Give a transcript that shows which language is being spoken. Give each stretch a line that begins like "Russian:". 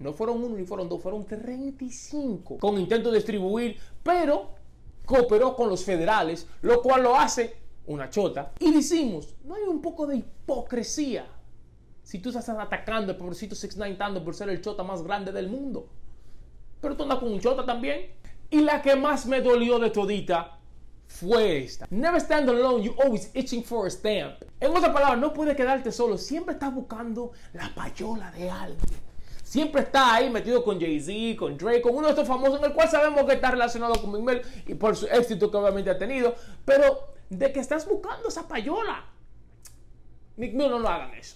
Spanish: No fueron uno ni fueron dos, fueron 35. Con intento de distribuir, pero cooperó con los federales, lo cual lo hace una chota. Y decimos, ¿no hay un poco de hipocresía si tú estás atacando al pobrecito 6ix9ine tanto por ser el chota más grande del mundo? Pero tú andas con un chota también. Y la que más me dolió de todita fue esta.
English: Never stand alone, you always itching for a stamp.
Spanish: En otras palabras, no puedes quedarte solo. Siempre estás buscando la payola de alguien. Siempre está ahí metido con Jay-Z, con Drake, con uno de estos famosos, en el cual sabemos que está relacionado con Meek Mill y por su éxito que obviamente ha tenido. Pero de que estás buscando esa payola, Meek Mill, no lo hagan eso.